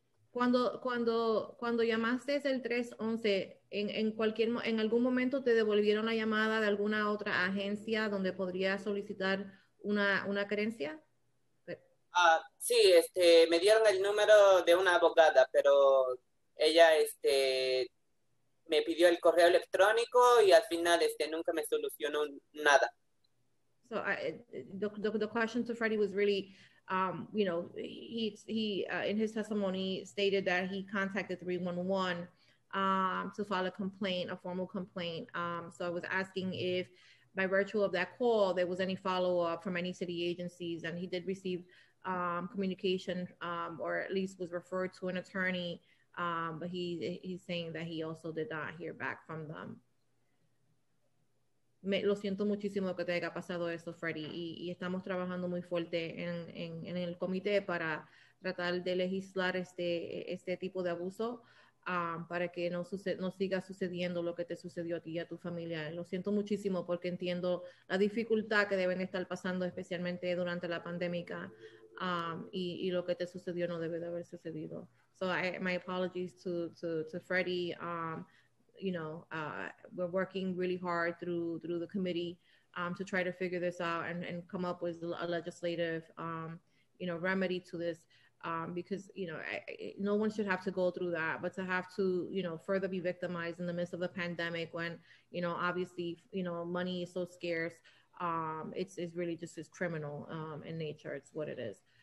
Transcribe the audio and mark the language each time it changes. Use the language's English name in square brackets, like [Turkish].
[Spanish] Cuando llamaste el 311, en algún momento te devolvieron la llamada de alguna otra agencia donde podría solicitar una carencia? Sí, me dieron el número de una abogada, pero ella me pidió el correo electrónico y al final nunca me solucionó nada. [English] So the question to Freddy was really, in his testimony stated that he contacted 311 to file a complaint, a formal complaint. So I was asking if by virtue of that call, there was any follow-up from any city agencies, and he did receive communication or at least was referred to an attorney, but he's saying that he also did not hear back from them. [Spanish] Lo siento muchísimo que te haya pasado eso, Freddy, y estamos trabajando muy fuerte en el comité para tratar de legislar este tipo de abuso para que no siga sucediendo lo que te sucedió a ti y a tu familia. Lo siento muchísimo porque entiendo la dificultad que deben estar pasando, especialmente durante la pandemia, y lo que te sucedió no debe de haber sucedido. [English] So my apologies to Freddy. You know, we're working really hard through the committee to try to figure this out and come up with a legislative, you know, remedy to this. Because, you know, no one should have to go through that, but to have to, you know, further be victimized in the midst of the pandemic when, you know, obviously, you know, money is so scarce, it's really just as criminal in nature. It's what it is.